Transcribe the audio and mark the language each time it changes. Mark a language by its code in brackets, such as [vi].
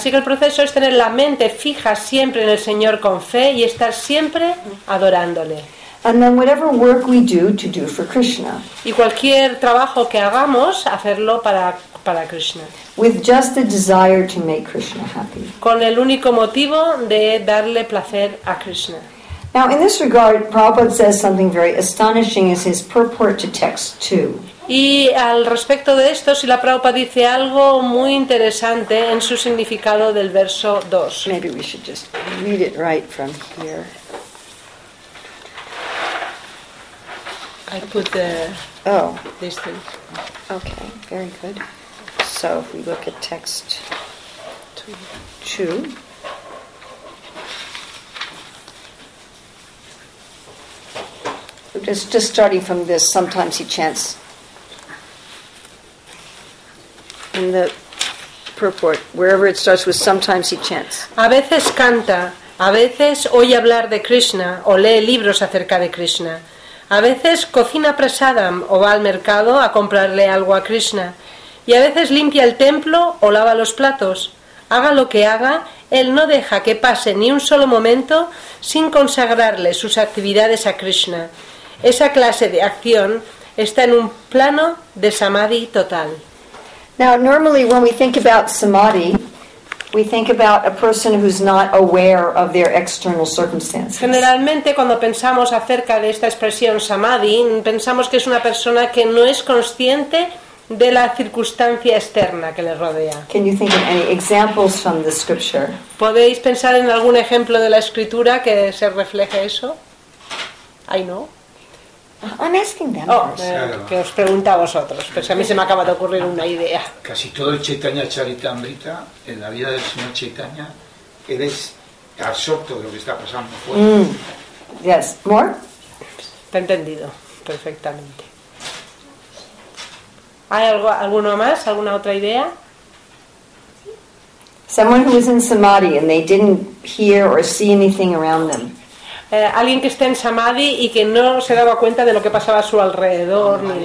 [es] Así que el proceso es tener la mente fija siempre en el Señor con fe y estar siempre adorándole. [en] And then whatever work we do to do for Krishna. [es] Y cualquier trabajo que hagamos, hacerlo para Krishna. [en] With just the desire to make Krishna happy. [es] Con el único motivo de darle placer a Krishna. [en] Now in this regard, Prabhupada says something very astonishing in his purport to text 2. [es] Y al respecto de esto, Srila Prabhupada dice algo muy interesante en su significado del verso 2. [en] Maybe we should just read it right from here. I put the... Oh. This thing. Okay, very good. So if we look at text 2. Just starting from this, sometimes he chants... In the purport, wherever it starts with sometimes he chants. [es] A veces canta, a veces oye hablar de Krishna o lee libros acerca de Krishna. A veces cocina prasadam o va al mercado a comprarle algo a Krishna. Y a veces limpia el templo o lava los platos. Haga lo que haga, él no deja que pase ni un solo momento sin consagrarle sus actividades a Krishna. Esa clase de acción está en un plano de samadhi total. [en] Now, normally, when we think about samadhi, we think about a person who's not aware of their external circumstances. [es] Generalmente, cuando pensamos acerca de esta expresión samadhi, pensamos que es una persona que no es consciente de la circunstancia externa que le rodea. [en] Can you think of any examples from the scripture? [es] ¿Podéis pensar en algún ejemplo de la escritura que se refleje eso? [en] I know. I'm asking them. [es] Oh, que os pregunta a vosotros. Pero si a mí se me acaba de ocurrir una idea. Casi todo el Chaitanya Charitamrita, en la vida del señor Chaitanya, él es absorto de lo que está pasando. [en] Yes, more? [es] Está entendido perfectamente. ¿Hay alguno más? ¿Alguna otra idea? [en] Someone who was in samadhi and they didn't hear or see anything around them. [es] Alguien que esté en samadhi y que no se daba cuenta de lo que pasaba a su alrededor.